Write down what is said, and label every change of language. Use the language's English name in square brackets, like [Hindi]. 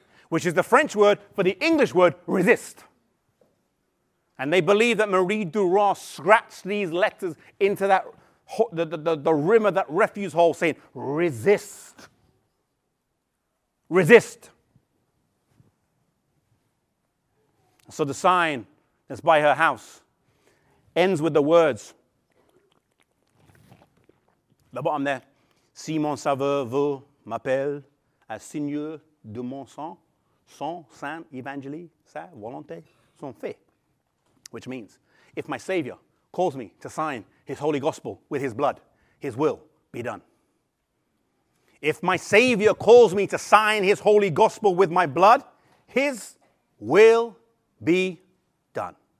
[English] Which is the French word for the English word resist. And they believe that Marie Duras scratched these letters into that the rim of that refuse hole saying, resist. Resist. So the sign that's by her house ends with the words. The bottom there. [French] Si mon serveur vous m'appelle à signer de mon sang, son saint évangile, sa volonté, son fait. [English] Which means, if my Savior calls me to sign his holy gospel with his blood, his will be done. If my Savior calls me to sign his holy gospel with my blood, his will be done.